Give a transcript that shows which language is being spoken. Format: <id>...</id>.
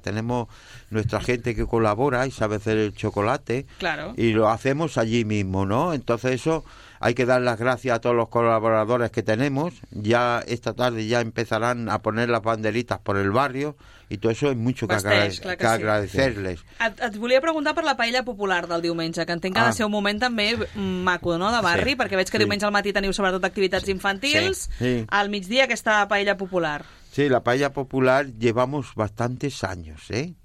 <es>Tenemos nuestra gente que colabora y sabe hacer el chocolate. Claro. Y lo hacemos allí mismo, ¿no? Entonces eso hay que dar las gracias a todos los colaboradores que tenemos. Ya esta tarde ya empezarán a poner las banderitas por el barrio y todo eso es mucho que agradecerles. Sí.</es> <ca>Et volia preguntar per la paella popular del diumenge, que entenc que ha de ser un moment també maco, no?, de barri, sí. perquè veig que diumenge al matí teniu sobretot activitats infantils. Sí. Sí. Al migdia aquesta paella popular.</ca> <es>Sí, la paella popular llevamos bastantes años, ¿eh?</es>